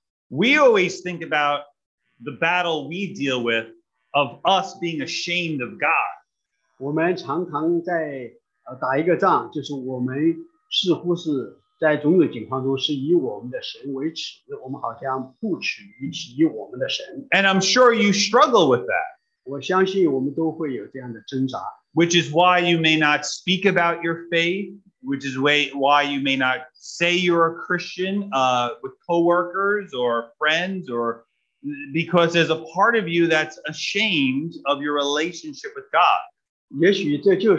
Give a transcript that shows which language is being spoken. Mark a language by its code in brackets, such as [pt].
[en] We always think about the battle we deal with of us being ashamed of God. [zh] 我们常常在打一个仗, 就是我们似乎是在种种情况中是以我们的神为耻，我们好像不耻于是以我们的神。 [en] And I'm sure you struggle with that. [zh] 我相信我们都会有这样的挣扎。 [en] Which is why you may not speak about your faith, which is why you may not say you're a Christian with coworkers or friends, or because there's a part of you that's ashamed of your relationship with God.